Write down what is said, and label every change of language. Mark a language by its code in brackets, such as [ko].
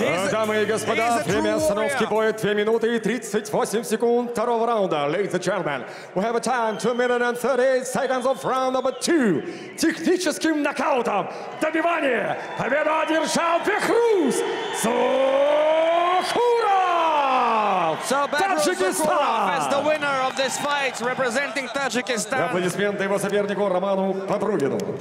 [ru] Дамы и господа, время остановки боя 2 минуты и 38 секунд второго раунда. [en] Ladies and gentlemen, we have a time, 2 minutes and 30 seconds of round number 2. [ru] Техническим нокаутом добивание победу одержал Бехруз Зухуров! So Таджикистан! [en] As the winner of this fight, representing Tajikistan. [ru] Аплодисменты его сопернику Роману Подругину.